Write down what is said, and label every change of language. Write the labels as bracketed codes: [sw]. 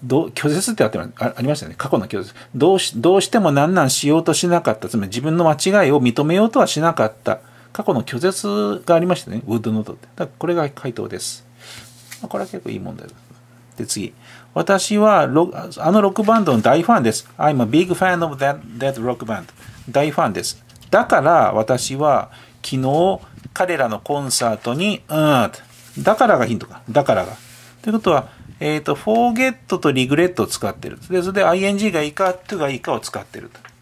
[ja] 拒絶ってありましたね。過去の拒絶。どうしても何なんしようとしなかった。つまり自分の間違いを認めようとはしなかった。過去の拒絶がありましたね。 [en] would not [ja] って。だからこれが回答です。これは結構いい問題です。で、次。私はあのロックバンドの大ファンです。 [en] I'm a big fan of that rock band. [ja] 大ファンです。だから私は昨日彼らのコンサートに、だからがヒントか。だからが。ということは、forget と regret を使ってる。で、それで ing がいいか、to がいいかを使ってると。